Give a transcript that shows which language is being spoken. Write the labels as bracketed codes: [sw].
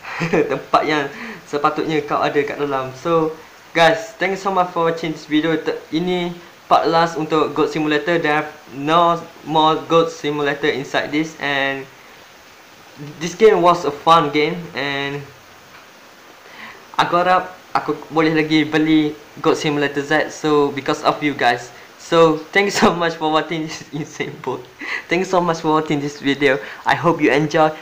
[ms] Tempat yang sepatutnya kau ada kat dalam. [en] So, guys, thank you so much for watching this video. [ms] Ini part last untuk Goat Simulator. [en] There are no more Goat Simulator inside this. And this game was a fun game. [ms] And aku harap aku boleh lagi beli Goat Simulator Z. [en] So, because of you guys. So, thank you so much for watching this insane book. Thank you so much for watching this video. I hope you enjoy.